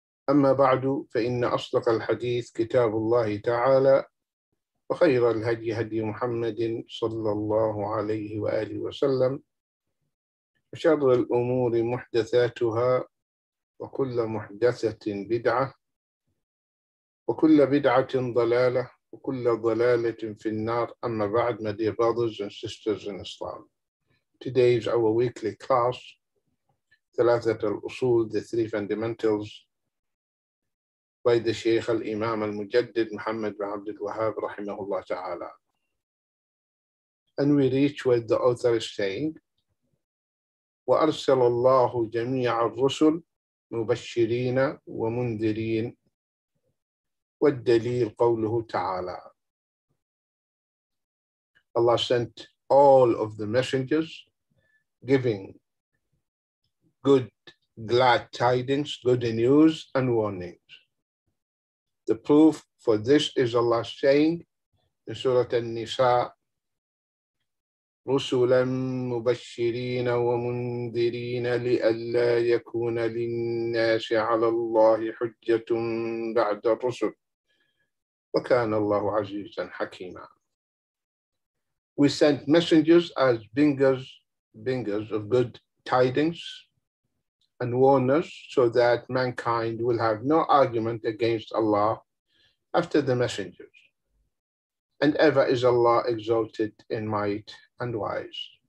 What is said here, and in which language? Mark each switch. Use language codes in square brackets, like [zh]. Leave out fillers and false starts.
[ar] أما بعد، فإن أصدق الحديث كتاب الله تعالى، وخير الهدي هدي محمد صلى الله عليه وآله وسلم، وشر الأمور محدثاتها، وكل محدثة بدعة، وكل بدعة ضلالة، وكل ضلالة في النار. أما بعد، [en] my dear brothers and sisters in Islam, today is our weekly class, ثلاثة الأصول, the three fundamentals, by the Sheikh al-Imam al-Mujaddid Muhammad bin Abd al-Wahhab rahimahullah ta'ala. And we reach what the author is saying, [ar] وَأَرْسَلَ اللَّهُ جَمِيعَ الرُّسُلِ مُبَشِّرِينَ وَمُنذِرِينَ وَالدَّلِيلُ قَوْلُهُ تَعَالَى. [en] Allah sent all of the messengers giving good, glad tidings, good news and warnings. The proof for this is Allah saying in Surah An-Nisa, [ar] رُسُلًا مُبَشِّرِينَ وَمُنذِرِينَ لِأَلَّا يَكُونَ لِلنَّاسِ عَلَى اللَّهِ حُجَّةٌ بَعْدَ الرُّسُلِ وَكَانَ اللَّهُ عَزِيزًا حَكِيمًا. [en] We sent messengers as bringers of good tidings and warners, so that mankind will have no argument against Allah after the messengers. And ever is Allah exalted in might and wise.